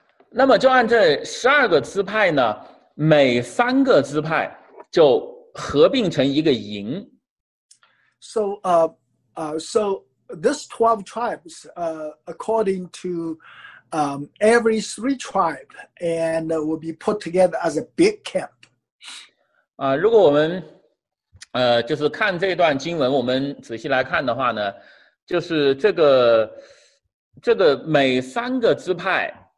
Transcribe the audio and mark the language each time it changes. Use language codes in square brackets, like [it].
[zh] 那么就按这十二个支派呢，每三个支派就合并成一个营。 [en] So, so this 12 tribes, according to, every three tribe, and will be put together as a big camp. [zh] 如果我们，就是看这段经文，我们仔细来看的话呢，就是这个每三个支派。